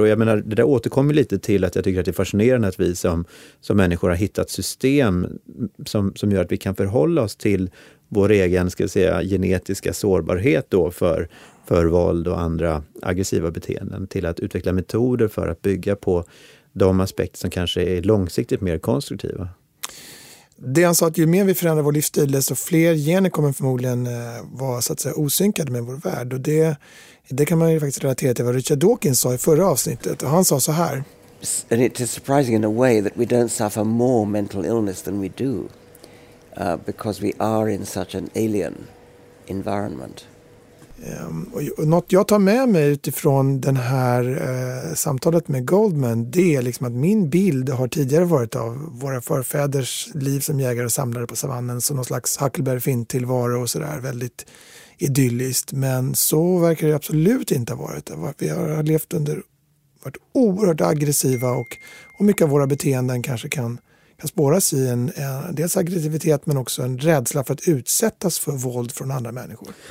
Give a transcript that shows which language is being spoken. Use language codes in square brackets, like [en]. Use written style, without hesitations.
[sv] Och jag menar, det där återkommer lite till att jag tycker att det är fascinerande att vi som människor har hittat system som gör att vi kan förhålla oss till vår egen, ska jag säga, genetiska sårbarhet då för våld och andra aggressiva beteenden, till att utveckla metoder för att bygga på de aspekter som kanske är långsiktigt mer konstruktiva. Det han sa, att ju mer vi förändrar vår livsstil, desto fler gener kommer förmodligen vara, så att säga, osynkade med vår värld. Och det kan man ju faktiskt relatera till vad Richard Dawkins sa i förra avsnittet. Och han sa så här: [en] and it is surprising in a way that we don't suffer more mental illness than we do, because we are in such an alien environment. [sv] Och något jag tar med mig utifrån den här samtalet med Goldman, det är liksom att min bild har tidigare varit av våra förfäders liv som jägare och samlare på savannen, som någon slags Huckleberry Finn-tillvaro och sådär, väldigt idylliskt. Men så verkar det absolut inte ha varit. Vi har levt under, varit oerhört aggressiva, och mycket av våra beteenden kanske kan spåras i en dels aggressivitet, men också en rädsla för att utsättas för våld från andra människor.